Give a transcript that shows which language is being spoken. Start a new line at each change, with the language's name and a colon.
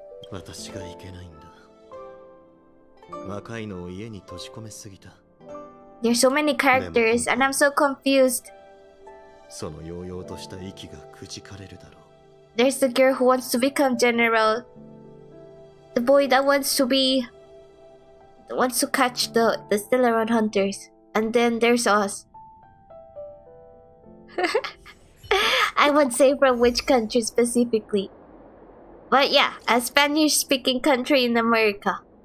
English: There's so many characters and I'm so confused.
Japanese: その揚々とした息がくじかれるだろう。
English: There's the girl who wants to become general. The boy that wants to be wants to catch the Stellaron hunters. And then there's us. I won't say from which country specifically. But yeah, a Spanish speaking country in America.